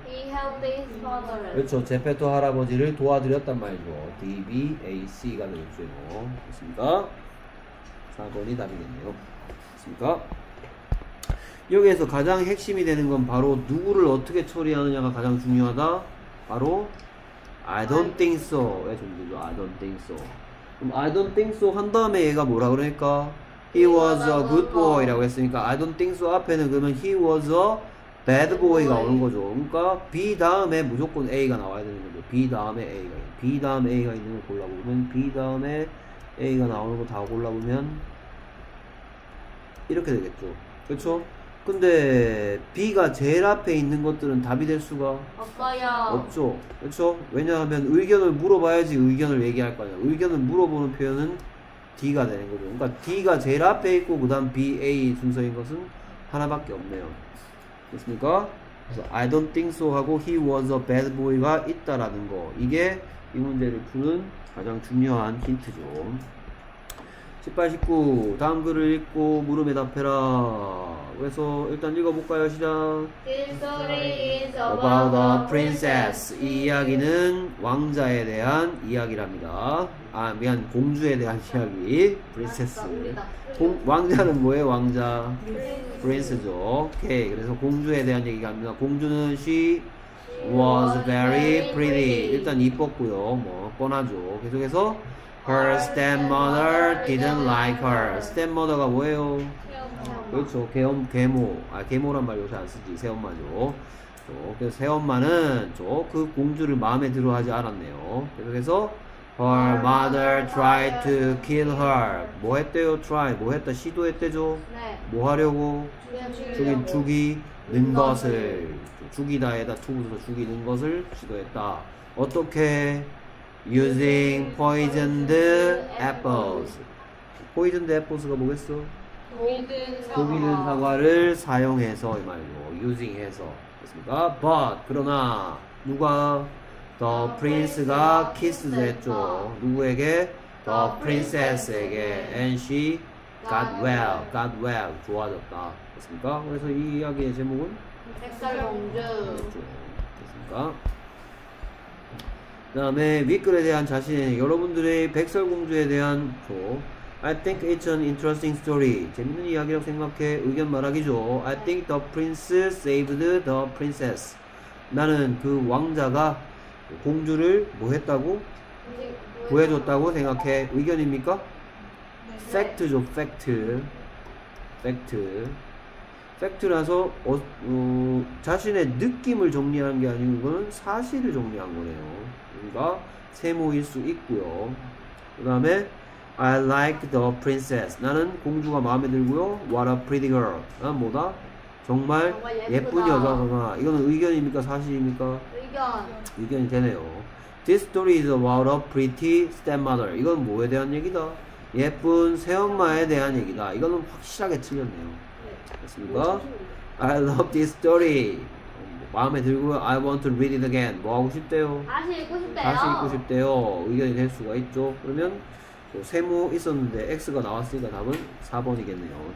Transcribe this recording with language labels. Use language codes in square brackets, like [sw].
[en] He helped his father. [ko] 그렇죠. 제페토 할아버지를 도와드렸단 말이죠. DBAC가 되겠죠. 그렇습니까? 4번이 답이겠네요. 됐습니까? 여기에서 가장 핵심이 되는 건 바로 누구를 어떻게 처리하느냐가 가장 중요하다. 바로 [en] I don't think so의 존재죠. I don't think so. [ko] 그럼 I don't think so 한 다음에 얘가 뭐라 그러니까 he was a good boy 라고 했으니까 I don't think so 앞에는 그러면 he was a bad boy가 오는 거죠. 그러니까 B 다음에 무조건 A가 나와야 되는 거죠. B 다음에 A가 B 다음에 A가 있는 걸 골라보면 B 다음에 A가 나오는 거 다 골라보면 이렇게 되겠죠. 그렇죠? 근데 B가 제일 앞에 있는 것들은 답이 될 수가 없어요. 없죠. 그렇죠? 왜냐하면 의견을 물어봐야지 의견을 얘기할 거 아니야. 의견을 물어보는 표현은 D가 되는 거죠. 그러니까 D가 제일 앞에 있고 그 다음 B, A 순서인 것은 하나밖에 없네요. 됐습니까? 그래서 I don't think so 하고 he was a bad boy가 있다라는 거 이게 이 문제를 푸는 가장 중요한 힌트죠. 18, 19 다음 글을 읽고 물음에 답해라. 그래서 일단 읽어볼까요? 시작. [en] This story is about a princess. [ko] 이 이야기는 왕자에 대한 이야기랍니다. 아 미안 공주에 대한 이야기. 프린세스. 왕자는 뭐예요? 왕자. 프린스죠. 오케이. 그래서 공주에 대한 얘기가 합니다. 공주는 [en] she was very pretty. [ko] 일단 이뻤고요. 뭐 뻔하죠. 계속해서 [en] her stepmother didn't like her. [ko] stepmother가 뭐예요? 그렇죠. 계모. 아 계모란 말 요새 안 쓰지. 새엄마죠. 그래서 새엄마는 그 공주를 마음에 들어하지 않았네요. 계속해서 [en] her mother tried to kill her. [ko] 뭐 했대요? try. 뭐 했다? 시도했대죠. 뭐 하려고? 죽이는 것을. 죽이다에다 투구서 죽이는 것을 시도했다. 어떻게? [en] Using poisoned apples. Poisoned apples가 뭐겠어? [ko] 독이든 사과를 사용해서 이 말고 using 해서 됐습니까? But 그러나 누가 [en] the prince [ko] 가 kissed 했죠. 누구에게? [en] The princess에게. And she got well. Got well. [ko] 좋아졌다. 됐습니까? 그래서 이 이야기의 제목은? 백설공주. 그렇죠. 됐습니까? 그 다음에 윗글에 대한 자신의 여러분들의 백설공주에 대한 조. [en] I think it's an interesting story. [ko] 재밌는 이야기라고 생각해 의견 말하기죠. [en] I think the prince saved the princess. [ko] 나는 그 왕자가 공주를 뭐 했다고? 구해줬다고 생각해. 의견입니까? 네. Fact죠. Fact. Fact. Fact라서 자신의 느낌을 정리한 게 아니고 이건 사실을 정리한 거네요. 우리가 세모일 수 있고요. 그 다음에 [en] I like the princess. [ko] 나는 공주가 마음에 들고요. [en] What a pretty girl. [ko] 난 뭐다? 정말 예쁜 여자구나. 이거는 의견입니까? 사실입니까? 의견. 의견이 되네요. [en] This story is about a pretty stepmother. [ko] 이건 뭐에 대한 얘기다? 예쁜 새엄마에 대한 얘기다. 이거는 확실하게 틀렸네요. 됐습니까? [en] I love this story. [ko] 마음에 들고요. [en] I want to read it again. [ko] 뭐 하고 싶대요? 다시 읽고 싶대요. 다시 읽고 싶대요. 의견이 될 수가 있죠. 그러면 세모 있었는데 X가 나왔으니까 답은 4번이겠네요.